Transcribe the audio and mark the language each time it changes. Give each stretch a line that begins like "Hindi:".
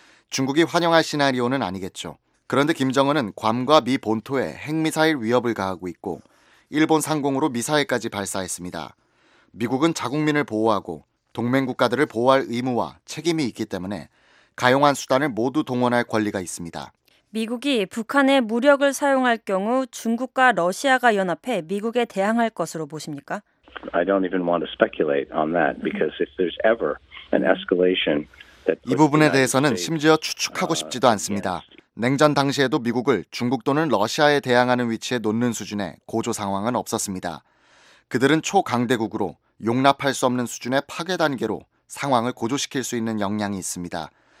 Korean: 중국이 환영할 시나리오는 아니겠죠. 그런데 김정은은 괌과 미 본토에 핵미사일 위협을 가하고 있고 일본 상공으로 미사일까지 발사했습니다. 미국은 자국민을 보호하고 동맹국가들을 보호할 의무와 책임이 있기 때문에 가용한 수단을 모두 동원할 권리가 있습니다. 미국이 북한의 무력을 사용할 경우 중국과 러시아가 연합해 미국에 대항할 것으로 보십니까?
English: I don't even want to speculate on that because if there's ever an escalation that
Korean: 이 부분에 대해서는 심지어 추측하고 싶지도 않습니다. 냉전 당시에도 미국을 중국 또는 러시아에 대항하는 위치에 놓는 수준의 고조 상황은 없었습니다. 그들은 초강대국으로 용납할 수 없는 수준의 파괴 단계로 상황을 고조시킬 수 있는 역량이 있습니다.